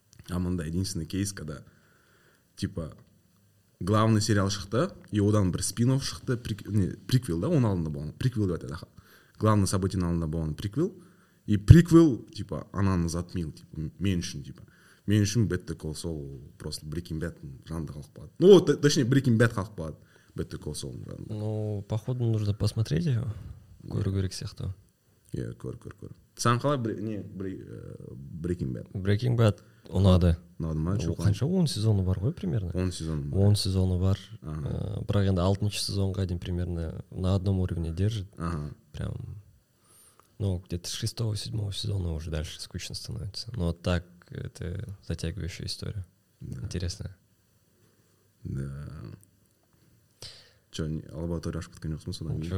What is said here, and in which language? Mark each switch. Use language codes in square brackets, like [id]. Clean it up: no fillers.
[ru] А мында единственный кейс, когда типа главный сериал шықты, и [kk] одан бір спин-офф шықты, [ru] приквел, да, [kk] он алдында болған, [ru] приквел [kk] деп айтады. Главный событиенің алдында болған приквел, [ru] и приквел типа ананы затмил, [kk] типа мен үшін, типа мен үшін «Better Call Saul» просто Breaking Bad жанды қалып қалады. [ru] Ну, точнее, [kk] Breaking Bad қалып қалады «Better Call Saul» жанды. [ru] Ну, походу нужно посмотреть его. [kk] Көрі керек сияқты. Иә, көр. Сан қалай Breaking Bad? Breaking Bad ұнады. Ұнады ма? Ол қанша 10 сезоны бар ғой [ru] примерно? [kk] 10 сезоны бар. 10 сезоны бар. Бірақ енді 6-шы сезонға дейін [ru] примерно на одном уровне держит. Прям, ну, где-то с 6-7 сезона уже дальше скучно становится. Но так это затягивающая история. Да. Интересная. Да. Чо, [kk] лабораторияға ашып кеткен жоқсың ба содан кейін?